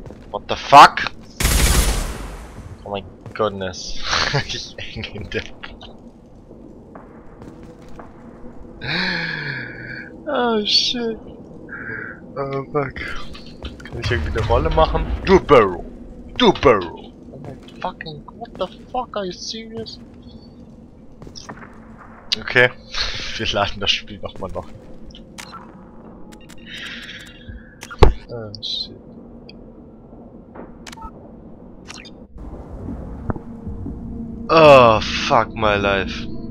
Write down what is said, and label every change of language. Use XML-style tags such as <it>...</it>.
<en>What the fuck? Oh my goodness.</en> <de>Ich häng in der</de> <en>Oh shit. Oh fuck.</en> <de>Kann ich irgendwie eine Rolle machen? Du Barrel! Du Barrel!</de> <en>Oh my fucking god, what the fuck, are you serious?</en> <de>Okay, wir laden das Spiel nochmal noch.</de> <en>Oh shit. Oh fuck my life.</en>